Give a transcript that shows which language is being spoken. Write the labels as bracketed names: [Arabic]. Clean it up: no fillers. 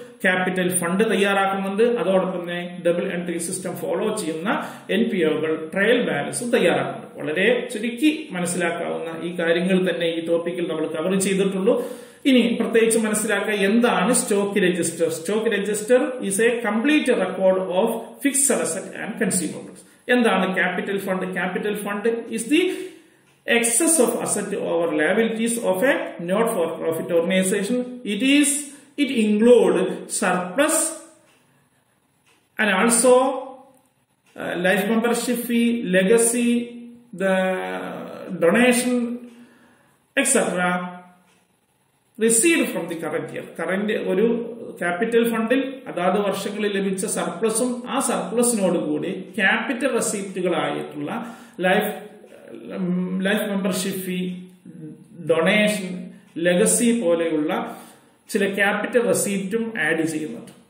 [Malayalam] Capital fund തയ്യാറാക്കുന്നുണ്ട്, അതോടൊപ്പം തന്നെ double entry system follow ചെയ്യുന്ന എൻ പി ഒകൾ ട്രയൽ ബാലൻസും തയ്യാറാക്കുന്നുണ്ട്. വളരെ ചുരുക്കി മനസ്സിലാക്കാവുന്ന ഈ കാര്യങ്ങൾ തന്നെ ഈ ടോപ്പിക്കിൽ നമ്മൾ കവർ ചെയ്തിട്ടുള്ളൂ. ഇനി പ്രത്യേകിച്ച് മനസ്സിലാക്കുക, എന്താണ് stock register? [English] Stock register is a complete record of fixed asset and consumables. [Malayalam] എന്താണ് capital fund? [English] Capital fund is the excess of asset over liabilities of a not for profit organization. It include surplus and also life membership fee, legacy, the donation, etc. received from the current year. [Malayalam] Current ഒരു capital ഫണ്ടിൽ അതാത് വർഷങ്ങളിൽ ലഭിച്ച സർപ്ലസും ആ സർപ്ലസിനോടുകൂടി capital റെസീപ്റ്റുകളായിട്ടുള്ള life membership ഫീ, donation, legacy പോലെയുള്ള ചില capital റെസീപ്റ്റും add ചെയ്യുന്നുണ്ട്.